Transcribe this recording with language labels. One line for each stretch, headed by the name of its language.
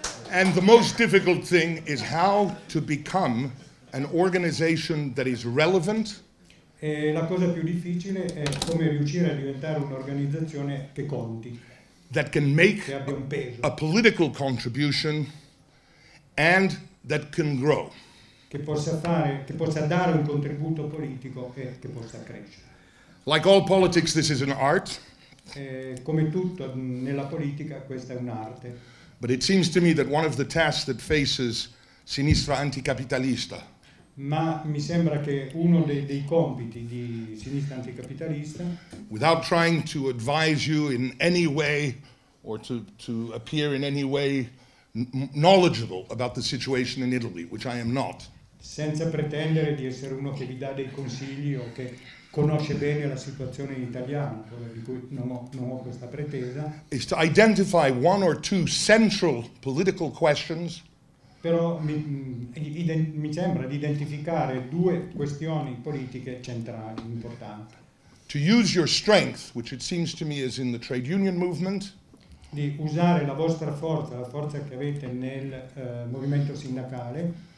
English: And the most difficult thing is how to become an organization that is relevant.
Italian: E la cosa più difficile è come riuscire a diventare un'organizzazione che conti.
English: That can make
Italian: che abbia un peso.
English: A political contribution and that can grow.
Italian: Che possa dare un contributo politico e che possa crescere.
English: Like all politics, this is an art.
Italian: E come tutto nella politica, questa è un'arte.
English: But it seems to me that one of the tasks that faces Sinistra Anticapitalista.
Italian: Ma mi sembra che uno dei compiti di Sinistra Anticapitalista.
English: Without trying to advise you in any way or to appear in any way knowledgeable about the situation in Italy, which I am not.
Italian: Senza pretendere di essere uno che vi dà dei consigli o che conosce bene la situazione in italiano, di cui non ho questa pretesa.
English: Is to identify one or two central political questions.
Italian: Però mi sembra di identificare due questioni politiche centrali, importanti.
English: To use your strength, which it seems to me is in the trade union movement.
Italian: Di usare la vostra forza, la forza che avete nel movimento sindacale.